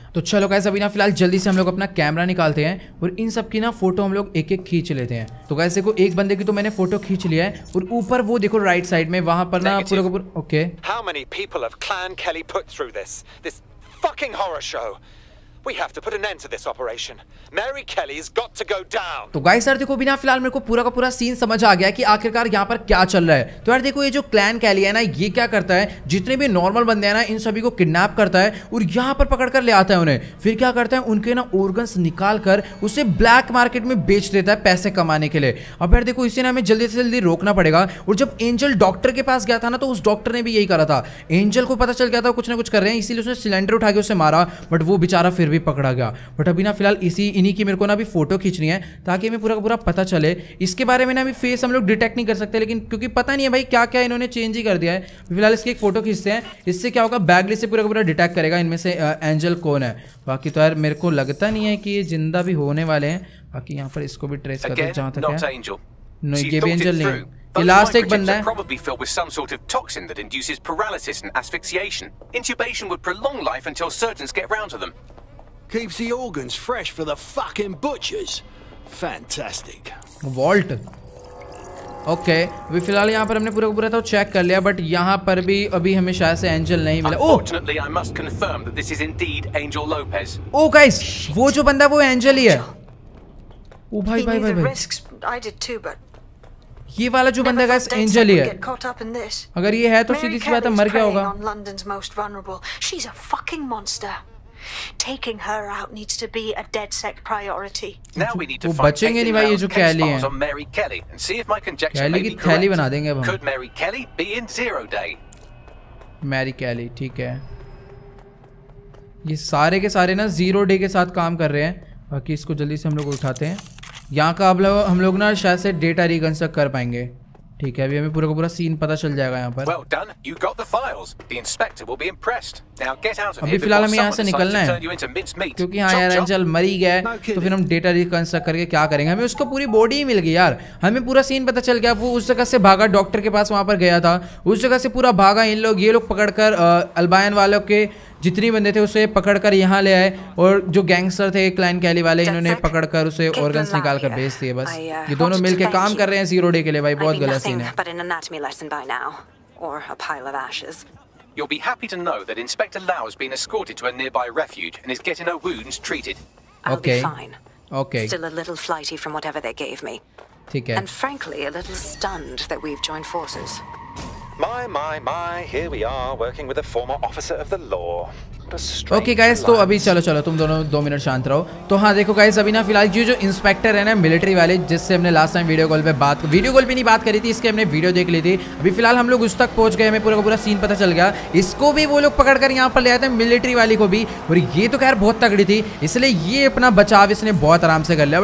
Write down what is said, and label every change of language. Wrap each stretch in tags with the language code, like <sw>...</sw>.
<hi>तो चलो गाइस अभी ना फिलहाल जल्दी से हम लोग अपना कैमरा निकालते हैं और इन सब की ना फोटो हम लोग एक एक खींच लेते हैं। तो गाइस देखो एक बंदे की तो मैंने फोटो खींच लिया है और ऊपर वो देखो राइट साइड में वहां पर ना पूरा का पूरा।</hi> <en>Okay how many people have clan Kelly put through this this fucking horror show. We have to put an end to this operation. Mary Kelly's got to go down.</en> <hi>तो गाइस यार देखो बिना फिलहाल मेरे को पूरा का पूरा सीन समझ आ गया कि आखिरकार यहाँ पर क्या चल रहा है। तो यार देखो ये जो क्लैन कैली है ना, ये क्या करता है, जितने भी नॉर्मल बंदे हैं ना इन सभी को किडनैप करता है और यहाँ पर पकड़ कर ले आता है उन्हें। फिर क्या करता है, उनके ना ऑर्गन्स निकाल कर उसे ब्लैक मार्केट में बेच देता है पैसे कमाने के लिए। अब यार देखो इसे ना हमें जल्दी से जल्दी रोकना पड़ेगा। और जब एंजल डॉक्टर के पास गया था ना, तो उस डॉक्टर ने भी यही करा था। एंजल को पता चल गया था कुछ ना कुछ कर रहे हैं, इसीलिए उसने सिलेंडर उठा के उसे मारा, बट वो बेचारा फिर भी पकड़ा गया। बट अभी ना फिलहाल इसी इन्हीं की मेरे को ना अभी फोटो खींचनी है ताकि हमें पूरा का पूरा पता चले। इसके बारे में ना अभी फेस हम लोग डिटेक्ट नहीं कर सकते, लेकिन क्योंकि पता नहीं है भाई क्या क्या इन्होंने चेंज ही कर दिया है। फिलहाल इसकी एक फोटो खींचते हैं, इससे क्या होगा बैगली से पूरा का पूरा डिटेक्ट करेगा इनमें से एंजल कौन है। बाकी तो यार मेरे को लगता नहीं है कि ये जिंदा भी होने वाले हैं। बाकी यहाँ पर इसको भी ट्रेस करते हैं जहाँ तक है। नहीं ये भी एंजल नहीं, ये लास्ट एक बंदा है।</hi> <en>Probably filled with some sort of toxin that induces paralysis and asphyxiation. Intubation would prolong life until surgeons get round to them. Keeps the organs fresh for the fucking butchers. Fantastic. Vault.</en> <hi>Okay अभी फिलहाल यहाँ पर हमने पूरा पूरा तो check कर लिया, बट यहाँ पर भी अभी हमें शायद से एंजल नहीं मिला।</hi> <en>Unfortunately, I must confirm that this is indeed Angel Lopez.</en> <hi>O guys, वो जो बंदा वो एंजल ही है। ओ भाई भाई भाई भाई।</hi> <en>Risks, I did too, but</en> <hi>ये वाला जो बंदा गाइस एंजल ही है। अगर ये है तो सीधी सी बात है मर गया होगा।</hi> <en>On London's most vulnerable. She's a fucking monster. Taking her out needs to be a dead sec priority. Now we need to find any way you can on Mary Kelly and see if my conjecture may be correct. Could Mary Kelly be in zero day?</en> <hi>Mary Kelly, ठीक है। ये सारे के सारे ना zero day के साथ काम कर रहे हैं। बाकी इसको जल्दी से हम लोग उठाते हैं। यहाँ का अब हम लोग ना शायद से data reconstruct कर पाएंगे। ठीक है, अभी हमें पूरा का पूरा सीन पता चल जाएगा यहाँ पर।</hi> <en>Well done, you got the files. The inspector will be impressed. Now get out of here.</en> <hi>अभी फिलहाल हमें यहाँ से निकलना है, क्योंकि हाँ यार एंजल मर ही गया,</hi> <en>no</en> <hi>तो फिर हम डेटा रिकंस्ट्रक्ट करके क्या करेंगे? हमें उसका पूरी बॉडी ही मिल गई यार, हमें पूरा सीन पता चल गया। वो उस जगह से भागा, डॉक्टर के पास वहाँ पर गया था, उस जगह से पूरा भागा। इन लोग ये लोग पकड़कर अल्बायन वालों के जितने बंदे थे उसे पकड़कर यहाँ ले आए, और जो गैंगस्टर थे क्लाइन कैली वाले इन्होंने पकड़कर उसे ऑर्गन्स निकाल कर भेज दिए। बस ये दोनों मिलके काम कर रहे हैं जीरो डे के लिए भाई, बहुत गलत सीन है।</hi> <en>But an anatomy lesson by now, or a pile of ashes. You'll be happy to know that Inspector Lau has been escorted to a nearby refuge and is getting her wounds treated. Okay. I'll be fine. Okay. Still a little flighty from whatever they gave me.</en> <hi>ठीक है।</hi> <en>And frankly, a little stunned that we've joined forces. My, here we are working with a former officer of the law.</en> <hi>Okay guys, तो अभी चलो तुम दोनों दो minute शांत रहो। तो हाँ देखो गाइस, अभी ना फिलहाल ये जो इंस्पेक्टर है ना मिलिट्री वाले, जिससे हमने लास्ट टाइम वीडियो कॉल पे नहीं बात करी थी, इसके हमने वीडियो देख ली थी। अभी फिलहाल हम लोग उस तक पहुंच गए, हमें पूरा का पूरा सीन पता चल गया। इसको भी वो लोग पकड़ कर यहाँ पर ले आए थे, मिलिट्री वाली को भी, और ये तो खैर बहुत तगड़ी थी, इसलिए ये अपना बचाव इसने बहुत आराम से कर लिया।</hi>